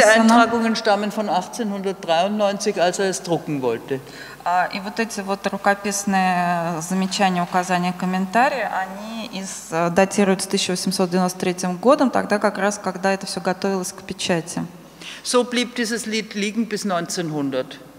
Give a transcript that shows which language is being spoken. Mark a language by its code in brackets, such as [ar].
[de] Diese Eintragungen stammen von 1893, als es drucken wollte. [ru] И вот эти вот рукописные замечания, указания, комментарии, они датируются 1893 годом, тогда как раз, когда это все готовилось к печати. [de] So blieb dieses Lied liegen bis 1900.